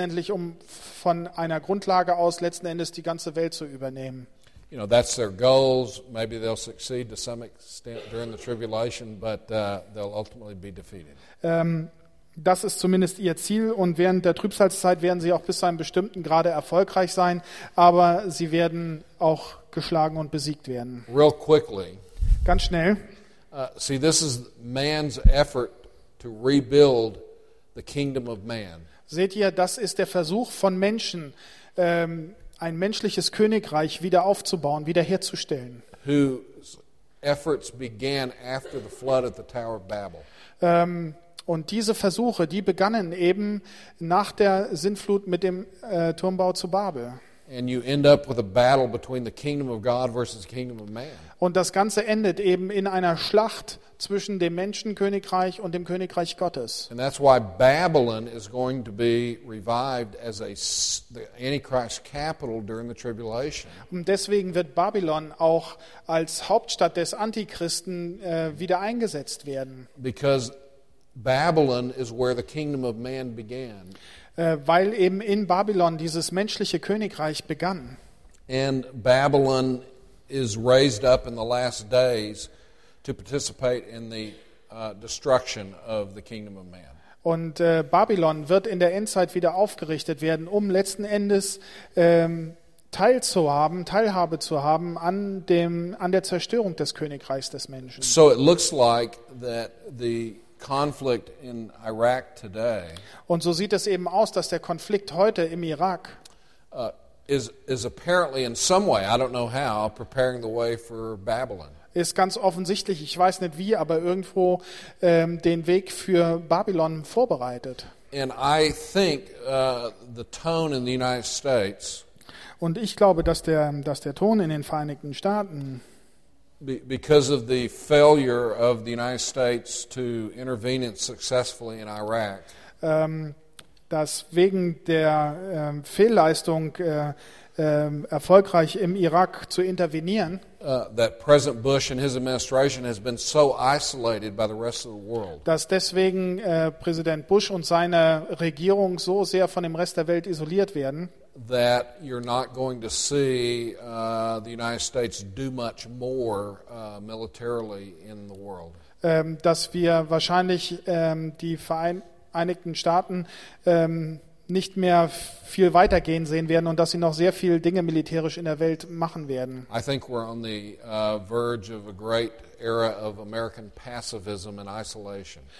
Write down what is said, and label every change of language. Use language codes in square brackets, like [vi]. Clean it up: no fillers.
[de] Um von einer Grundlage aus letzten Endes die ganze Welt zu übernehmen. [en] You know, that's their goals. Maybe they'll succeed to some extent during the tribulation, but they'll ultimately be defeated. [de] Das ist zumindest ihr Ziel und während der Trübsalzeit werden sie auch bis zu einem bestimmten Grade erfolgreich sein, aber sie werden auch geschlagen und besiegt werden. [en] Real quickly. [de] Ganz schnell. [en] See, this is man's effort to rebuild the kingdom of man. [de] Seht ihr, das ist der Versuch von Menschen, ein menschliches Königreich wieder aufzubauen, wiederherzustellen. [en] Whose efforts began after the flood at the Tower of Babel. [de] Und diese Versuche, die begannen eben nach der Sintflut mit dem Turmbau zu Babel. [en] And you end up with a battle between the kingdom of God versus the kingdom of man. [de] Und das Ganze endet eben in einer Schlacht zwischen dem Menschenkönigreich und dem Königreich Gottes. [en] And that's why Babylon is going to be revived as the Antichrist capital during the tribulation. [de] Und deswegen wird Babylon auch als Hauptstadt des Antichristen wieder eingesetzt werden. [en] Because Babylon is where the kingdom of man began. [de] Weil eben in Babylon dieses menschliche Königreich begann. [en] And Babylon is raised up in the last days to participate in the destruction of the kingdom of man. [de] Und Babylon wird in der Endzeit wieder aufgerichtet werden, um letzten Endes Teilhabe zu haben an der Zerstörung des Königreichs des Menschen. [en] So it looks like that the conflict in Iraq today. [de] Und so sieht es eben aus, dass der Konflikt heute im Irak [en] is apparently in some way, I don't know how, preparing the way for Babylon. [de] Ist ganz offensichtlich, ich weiß nicht wie, aber irgendwo den Weg für Babylon vorbereitet. [en] And I think the tone in the United States. [de] Und ich glaube, dass der Ton in den Vereinigten Staaten. [en] Because of the failure of the United States to intervene successfully in Iraq. [de] Dass wegen der Fehlleistung erfolgreich im Irak zu intervenieren. [en] That President Bush and his administration has been so isolated by the rest of the world. [de] Dass deswegen Präsident Bush und seine Regierung so sehr von dem Rest der Welt isoliert werden. [en] That you're not going to see the United States do much more militarily in the world. [de] Dass wir wahrscheinlich die Vereinigten Staaten nicht mehr viel weitergehen sehen werden und dass sie noch sehr viele Dinge militärisch in der Welt machen werden. [en] I think we're on the verge of a great era of American pacifism and isolation.